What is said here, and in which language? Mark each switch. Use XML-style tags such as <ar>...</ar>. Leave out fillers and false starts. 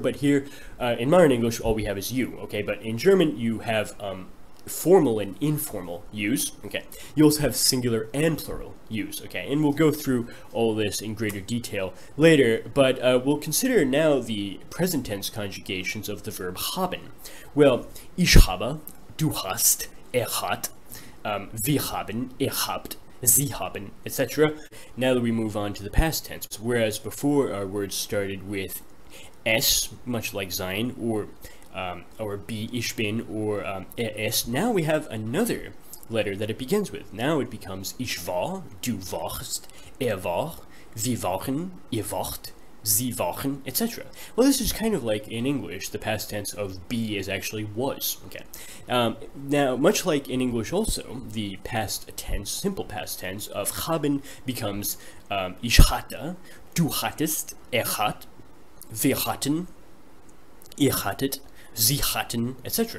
<en>But here in modern English, all we have is you, okay? But in German, you have formal and informal use, okay? You also have singular and plural use, okay? And we'll go through all this in greater detail later, but we'll consider now the present tense conjugations of the verb haben.</en> <de>Well, ich habe, du hast, hat, wir haben, habt, sie haben, etc.</de> <en>Now that we move on to the past tense, whereas before our words started with S, much like Sein, or B,</en> <de>ich bin,</de> <en>or es, now we have another letter that it begins with. Now it becomes</en> <de>ich war, du warst, war, wir waren, ihr wart, sie waren, etc.</de> <en>Well, this is kind of like, in English, the past tense of be is actually was, okay? Now, much like in English also, the past tense, simple past tense, of haben becomes</en> <de>ich hatte, du hattest, hat, wir hatten, ihr hattet, sie hatten,</de> <en>etc.</en>